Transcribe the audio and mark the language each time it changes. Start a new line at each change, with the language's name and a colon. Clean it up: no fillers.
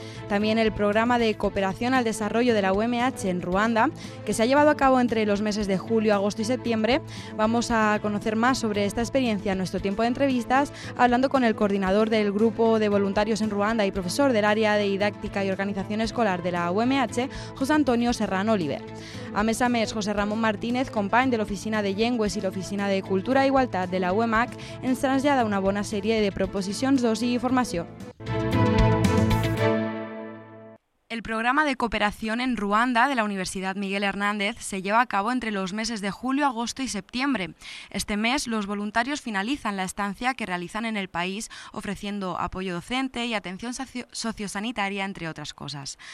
Spanish: También el programa de cooperación al desarrollo de la UMH en Ruanda, que se ha llevado a cabo entre los meses de julio, agosto y septiembre. Vamos a conocer más sobre esta experiencia en nuestro tiempo de entrevistas, hablando con el coordinador del grupo de voluntarios en Ruanda y profesor del área de didáctica y organización escolar de la UMH, José Antonio Serrano Oliver.
Catalan: A mes a mes, José Ramón Martínez, compañero de la Oficina de Llengües y la Oficina de Cultura e Igualdad de la UEMAC, ens trasllada una bona sèrie de proposicions d'oci i formació.
Spanish: El programa de cooperación en Ruanda de la Universidad Miguel Hernández se lleva a cabo entre los meses de julio, agosto y septiembre. Este mes, los voluntarios finalizan la estancia que realizan en el país, ofreciendo apoyo docente y atención sociosanitaria, entre otras cosas.